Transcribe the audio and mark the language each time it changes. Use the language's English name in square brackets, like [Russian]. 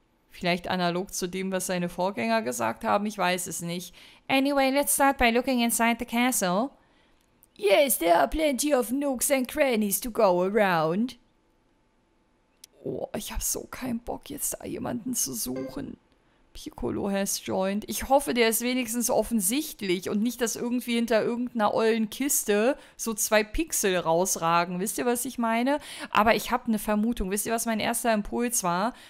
[German] Vielleicht analog zu dem, was seine Vorgänger gesagt haben, ich weiß es nicht. [English] Anyway, let's start by looking inside the castle. Yes, there are plenty of nooks and crannies to go around. [German] Oh, ich habe so keinen Bock, jetzt da jemanden zu suchen. [English] Piccolo has joined. [German] Ich hoffe, der ist wenigstens offensichtlich und nicht, dass irgendwie hinter irgendeiner ollen Kiste so zwei Pixel rausragen. Wisst ihr, was ich meine? Aber ich habe eine Vermutung. Wisst ihr, was mein erster Impuls war?